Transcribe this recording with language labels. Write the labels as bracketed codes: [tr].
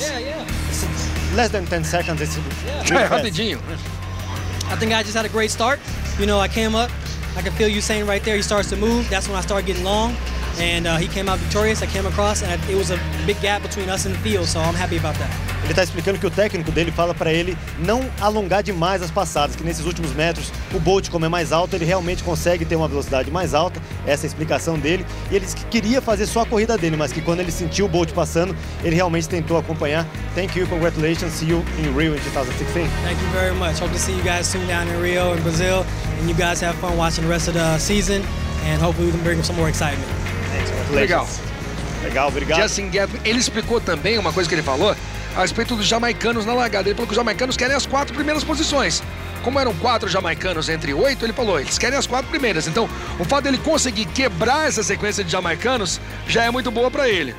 [en] Yeah. Less than 10 seconds, it's [pt] rapidinho. [en] I think I just had a great start. You know, I came up, I could feel Usain right there. He starts to move. That's when I started getting long. And he came out victorious. I came across, and it was a big gap between us and the field, so I'm happy about that. [pt] Ele tá explicando que o técnico dele fala para ele não alongar demais as passadas, que nesses últimos metros o Bolt, como é mais alto, ele realmente consegue ter uma velocidade mais alta. Essa é a explicação dele. E ele disse que queria fazer só a corrida dele, mas que quando ele sentiu o Bolt passando, ele realmente tentou acompanhar. [en] Thank you, congratulations. See you in Rio in 2016. Thank you very much. Hope to see you guys soon down in Rio in Brazil, and you guys have fun watching the rest of the season, and hopefully we can bring some more excitement. [pt] Legal, obrigado. Justin Gatlin, ele explicou também uma coisa que ele falou a respeito dos jamaicanos na largada. Ele falou que os jamaicanos querem as quatro primeiras posições. Como eram quatro jamaicanos entre oito, ele falou, eles querem as quatro primeiras. Então, o fato dele conseguir quebrar essa sequência de jamaicanos já é muito boa pra ele.